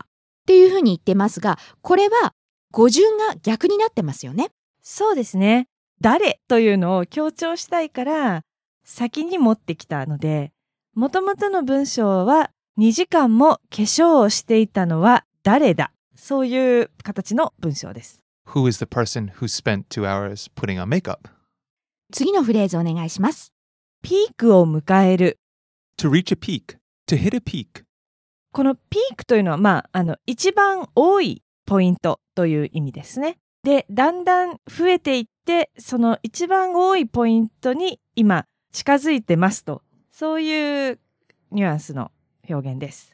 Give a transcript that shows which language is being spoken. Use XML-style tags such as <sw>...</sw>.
<ja>っていうふうに言ってますが、これは語順が逆になってますよね。そうですね。誰というのを強調したいから、先に持ってきたので、もともとの文章は2時間も化粧をしていたのは誰だ、そういう形の文章です。</ja> <en>Who is the person who spent 2 hours putting on makeup?</en> <ja>次のフレーズお願いします。ピークを迎える。</ja> <en>To reach a peak, to hit a peak.</en> <ja>このピークというのは、一番多いポイントという意味ですね。で、だんだん増えていって、その一番多いポイントに今近づいてますと、そういうニュアンスの表現です。</ja>